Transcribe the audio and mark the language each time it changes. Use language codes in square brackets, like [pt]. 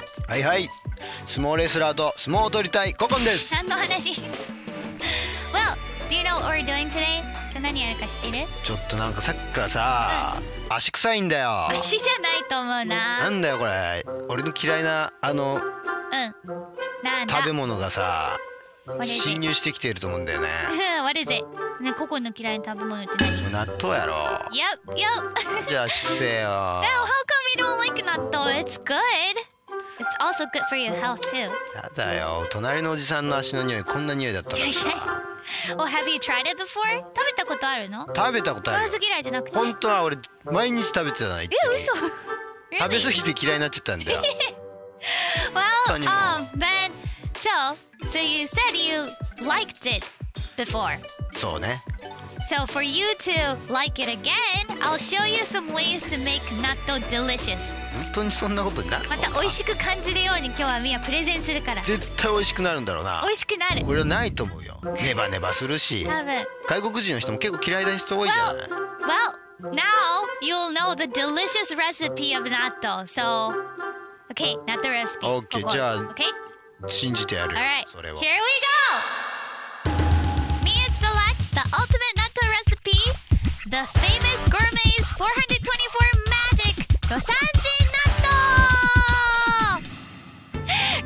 [ja] はいはい、相撲レスラーと相撲を取りたいココンです。何の話 [en] Well, do you know what we're doing today? [ja] 今日何やるか知ってる？ちょっとなんかさっきからさ、うん、足臭いんだよ。足じゃないと思うな。なんだよこれ、俺の嫌いなあのうん、なんだ食べ物がさ侵入してきてると思うんだよね。 [en] What is it? [ja] ね、ココの嫌いな食べ物って何？納豆やろ。 [en] Yep, yep. [ja] じゃあ粛清よ。 [en] Now, how come you don't like 納豆?It's good. It's also good for your health too. [ja] やだよ、隣のおじさんの足の匂いこんな匂いだったのさ。 [en] Well, have you tried it before? [ja] 食べたことあるの？食べたことある。ローズ嫌いじゃなくて本当は俺毎日食べてたの。え、嘘。食べ過ぎて嫌いになっちゃったんだよ。 [en] Well, then, so you said you liked it before. [ja] そうね。 [en] So for you to like it again, I'll show you some ways to make 納豆 delicious. [ja] 本当にそんなことになるのか。また美味しく感じるように今日はミアプレゼンするから。絶対美味しくなるんだろうな。美味しくなる。俺はないと思うよ。ネバネバするし。多分。外国人の人も結構嫌いな人多いじゃない。 [en] Well, now you'll know the delicious recipe of 納豆. So, okay, 納豆 recipe. [ja] OK, ここじゃあ、 [en] okay? [ja] 信じてやるよ。 [en] Alright, [ja] それは。 [en] Here we go! Ultimate natto recipe, the famous gourmet's 424 magic, Rosanjin natto!